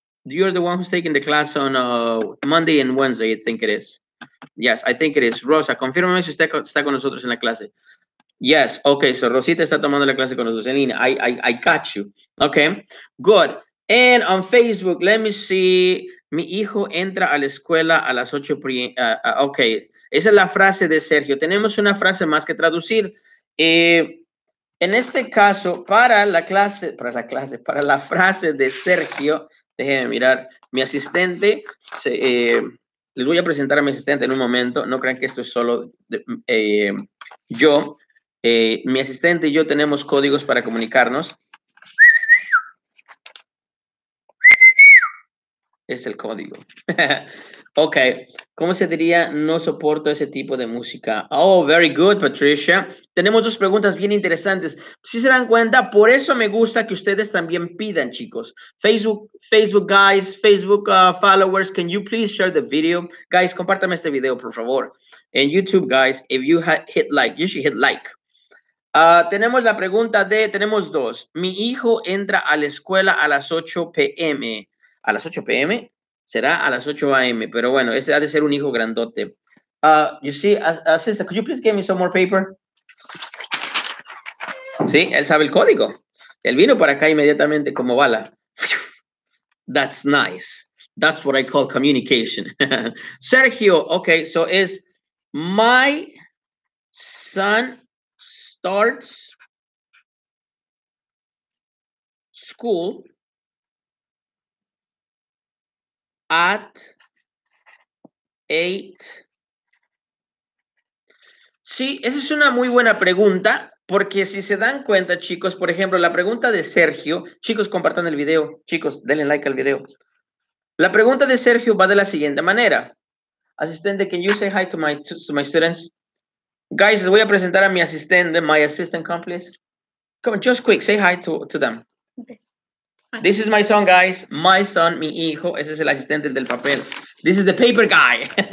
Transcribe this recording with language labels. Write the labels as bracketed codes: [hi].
[en] You're the one who's taking the class on Monday and Wednesday, I think it is. Yes, I think it is. [es] Rosa, confírmame si usted está con nosotros en la clase. [en] Yes, okay, so [es] Rosita está tomando la clase con nosotros en línea. [en] I got you. Okay, good. And on Facebook, let me see. [es] Mi hijo entra a la escuela a las 8 p.m. Okay, esa es la frase de Sergio. Tenemos una frase más que traducir. En este caso, para la frase de Sergio, déjenme mirar, mi asistente, les voy a presentar a mi asistente en un momento. No crean que esto es solo yo. Mi asistente y yo tenemos códigos para comunicarnos. Es el código. Ok. ¿Cómo se diría? No soporto ese tipo de música. [en] Oh, very good, Patricia. [es] Tenemos dos preguntas bien interesantes. Si se dan cuenta, por eso me gusta que ustedes también pidan, chicos. [en] Facebook followers, can you please share the video? Guys, [es] compártame este video, por favor. [en] And YouTube, guys, if you hit like, you should hit like. [es] Tenemos la pregunta de, tenemos dos. Mi hijo entra a la escuela a las 8 p.m. ¿A las 8 p.m.? Será a las 8 a.m., pero bueno, ese ha de ser un hijo grandote. [en] You see, sister, could you please give me some more paper? [es] Sí, él sabe el código. Él vino para acá inmediatamente como bala. [en] That's nice. That's what I call communication. Sergio, okay, so is my son... starts school at 8. [es] Sí, esa es una muy buena pregunta, porque si se dan cuenta, chicos, por ejemplo, la pregunta de Sergio, chicos, compartan el video, chicos, denle like al video. La pregunta de Sergio va de la siguiente manera. [en] Asistente, can you say hi to my students? Guys, [es] les voy a presentar a mi asistente, [en] my assistant complice. Come on, just quick, say hi to them. Okay. This is my son, guys. My son, [es] mi hijo. Ese es el asistente del papel. [en] This is the paper guy.